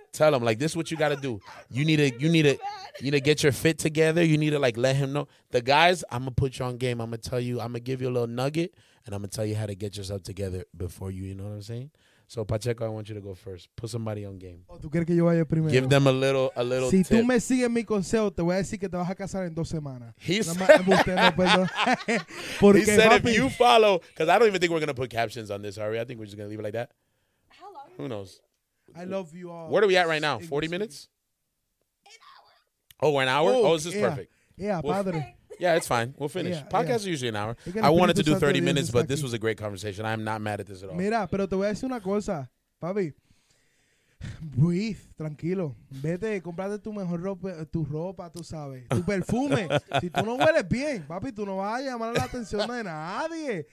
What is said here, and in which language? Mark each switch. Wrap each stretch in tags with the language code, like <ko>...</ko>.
<en>Tell them, like, this is what you got to do. You need to get your fit together. You need to, like, let him know. The guys, I'm going to put you on game. I'm going to tell you. I'm going to give you a little nugget. And I'm going to tell you how to get yourself together before you, you know what I'm saying? So, Pacheco, I want you to go first. Put somebody on game. Give them a little</en> <es>si</es> <en>tip.</en> <es>Si tú me sigues mi consejo, te voy a decir que te vas a casar en dos semanas.</es> <en>He said if you follow, because I don't even think we're going to put captions on this, are we? I think we're just going to leave it like that. How long? Who knows? I love you all. Where are we at right now? 40 minutes? An hour. Oh, an hour? Oh, this is perfect. Yeah, padre. Yeah, it's fine. We'll finish. Podcasts are usually an hour. I wanted to do 30 minutes, but this was a great conversation. I am not mad at this at all.</en> <es>Mira, pero te voy a decir una cosa, papi.</es> <en>Breathe,</en> <es>tranquilo. Vete, cómprate tu mejor ropa, tú sabes. Tu perfume. Si tú no hueles bien, papi, tú no vas a llamar la atención de nadie.</es>